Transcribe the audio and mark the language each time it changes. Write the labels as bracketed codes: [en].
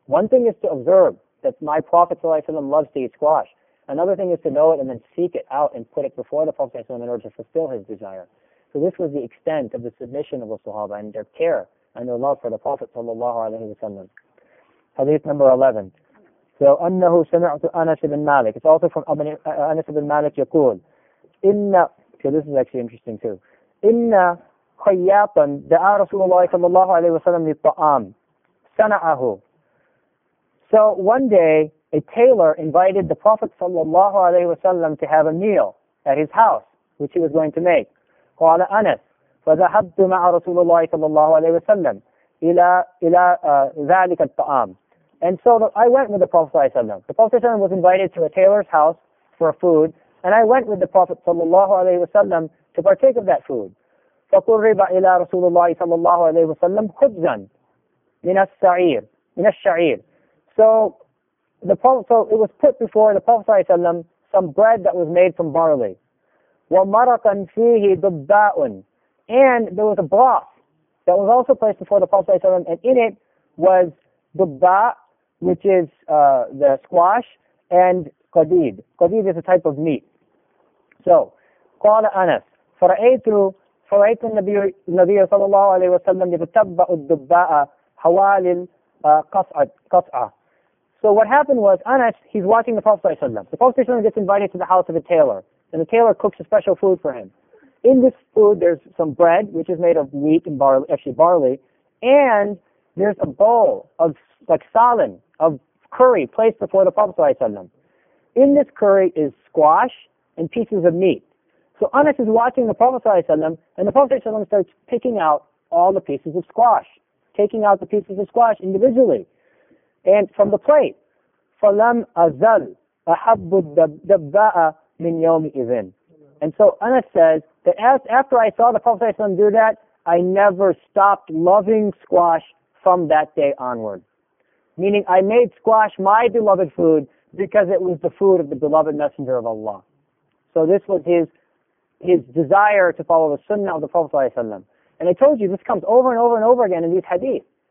[en] One thing is to observe that my Prophet ﷺ loves to eat squash. Another thing is to know it and then seek it out and put it before the Prophet ﷺ in order to fulfill his desire. So this was the extent of the submission of the Sahaba and their care and their love for the Prophet ﷺ. Hadith number 11. [ar] So, أَنَّهُ سَمِعْتُ أَنَسِ بِن مَالِكِ. [en] It's also from Anas ibn Malik [ar] يقول. إِنَّ, [en] so this is actually interesting too. [ar] إِنَّ خَيَّاطًا دَعَى رَسُولُ اللَّهِ صَلَى اللَّهُ عَلَيْهِ وَسَلَمْ لِلطَّعَامِ سَنَعَهُ. [en] So one day, a tailor invited the Prophet sallallahu alaihi wasallam to have a meal at his house, which he was going to make. [ar] قال أنس فذهبت مع رسول الله صلى الله عليه وسلم إلى ذلك الطعام. [en] And so I went with the Prophet sallallahu alaihi wasallam. The Prophet sallallahu alaihi wasallam was invited to a tailor's house for food, and I went with the Prophet sallallahu alaihi wasallam to partake of that food. [ar] فقرب إلى رسول الله صلى الله عليه وسلم خبزا من الشعير. [en] So it was put before the Prophet ﷺ some bread that was made from barley. [ar] وَمَرَقًا فِيهِ دُبَّاءٌ. [en] And there was a broth that was also placed before the Prophet ﷺ, and in it was dubba, which is the squash, and qadid. Qadid is a type of meat. [ar] So, قال أنس فَرَأَيْتُ النَّبِيَّ صَلَى اللَّهُ عَلَيْهِ وَسَلَّمَ يَتَبَّأُ الدُّبَّاءَ حَوَالِ الْقَصْعَةِ. [en] So what happened was, Anas, he's watching the Prophet ﷺ. The Prophet ﷺ gets invited to the house of a tailor, and the tailor cooks a special food for him. In this food, there's some bread, which is made of wheat and barley, and there's a bowl of, like, salin, of curry, placed before the Prophet ﷺ. In this curry is squash and pieces of meat. So Anas is watching the Prophet ﷺ, and the Prophet ﷺ starts picking out all the pieces of squash, taking out the pieces of squash individually. And from the plate, [ar] فَلَمْ أَزَلْ أَحَبُّ الدَّبَّاءَ مِنْ يَوْمِ إِذٍ. [en] And so Anas says that after I saw the Prophet ﷺ do that, I never stopped loving squash from that day onward. Meaning I made squash my beloved food because it was the food of the beloved Messenger of Allah. So this was his desire to follow the sunnah of the Prophet ﷺ. And I told you, this comes over and over and over again in these hadiths.